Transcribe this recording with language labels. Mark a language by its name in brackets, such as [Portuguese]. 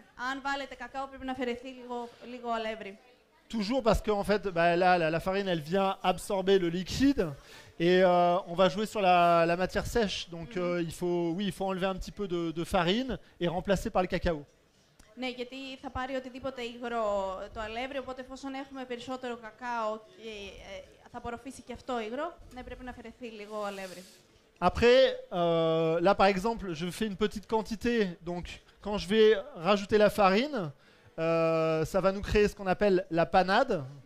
[Greek] Αν βάλετε κακάο, πρέπει να αφαιρεθεί λίγο αλεύρι. [French] Toujours parce que en fait, bah, la farine elle vient absorber le liquide et on va jouer sur la matière sèche. Donc il faut enlever un petit peu de farine et remplacer par le cacao. [Greek] Ναι, γιατί θα πάρει οτιδήποτε υγρό το αλεύρι, οπότε εφόσον έχουμε περισσότερο κακάο και θα απορροφήσει και αυτό υγρό, ναι, πρέπει να αφαιρεθεί λίγο αλεύρι. [French] Après, là par exemple, je fais une petite quantité, donc quand je vais rajouter la farine, ça va nous créer ce qu'on appelle la panade.